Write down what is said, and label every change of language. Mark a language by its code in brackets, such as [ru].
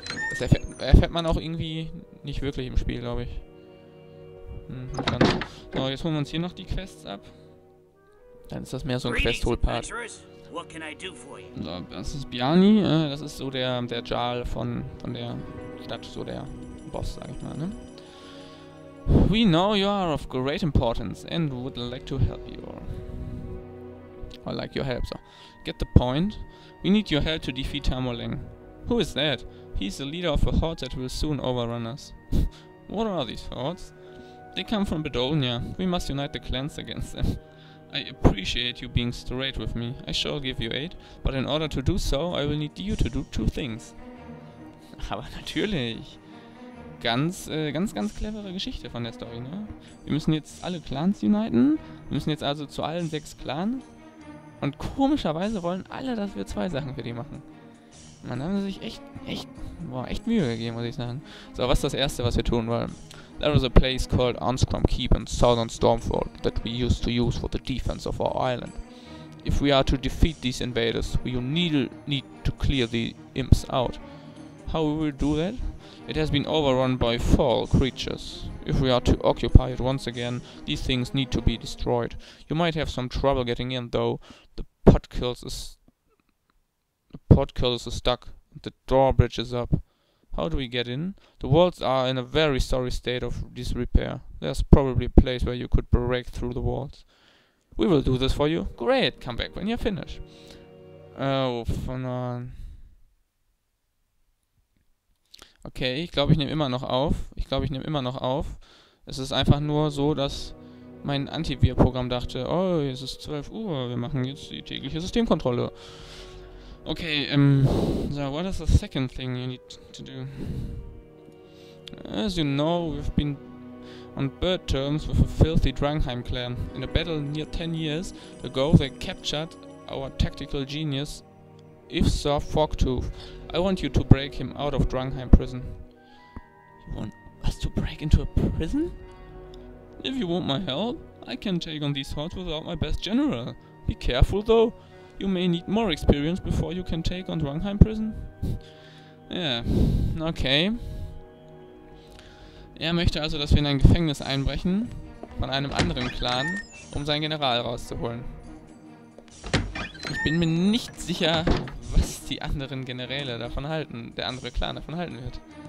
[de] Das erfährt man auch irgendwie nicht wirklich im Spiel, glaube ich. Nicht ganz. So, jetzt holen wir uns hier noch die Quests ab. Dann ist das mehr so ein Quest-Hol-Part. So, das ist Biani, das ist so der Jarl von der Stadt, so der Boss, sag ich mal, ne? [en] We know you are of great importance and would like to help you. Or like your help, so. Get the point. We need your help to defeat Tamerlane. Who is that? He's the leader of a horde that will soon overrun us. What are these hordes? They come from Bedonia. We must unite the clans against them. I appreciate you being straight with me. I shall give you aid, but in order to do so, I will need you to do two things. [de] Aber natürlich. Ganz clevere Geschichte von der Story, ne? Wir müssen jetzt alle Clans uniten. Wir müssen jetzt also zu allen 6 Clans. Und komischerweise wollen alle, dass wir 2 Sachen für die machen. Man hat sich echt Mühe gegeben, muss ich sagen. So, was ist das Erste, was wir tun wollen? [en] There was a place called Unscrum Keep in Southern Stormfall that we used to use for the defense of our island. If we are to defeat these invaders, we need to clear the imps out. How we will do that? It has been overrun by foul creatures. If we are to occupy it once again, these things need to be destroyed. You might have some trouble getting in, though. The portcullis is stuck. The drawbridge is up. How do we get in? The walls are in a very sorry state of disrepair. There's probably a place where you could break through the walls. We will do this for you. Great! Come back when you're finished. Oh, von on. [de] Okay, ich glaube, ich nehme immer noch auf. Es ist einfach nur so, dass mein Antivir-Programm dachte, oh, es ist 12 Uhr, wir machen jetzt die tägliche Systemkontrolle. [en] Okay, so, what is the second thing you need to do? As you know, we've been on bad terms with a filthy Drangheim clan. In a battle near 10 years ago, they captured our tactical genius, Ifsar Forktooth. I want you to break him out of Drangheim prison. You want us to break into a prison? If you want my help, I can take on these hordes without my best general. Be careful though, you may need more experience before you can take on Drangheim prison. Yeah, okay. [de] Er möchte also, dass wir in ein Gefängnis einbrechen, von einem anderen Clan, um seinen General rauszuholen. Ich bin mir nicht sicher, was die anderen Generäle davon halten, der andere Clan davon halten wird.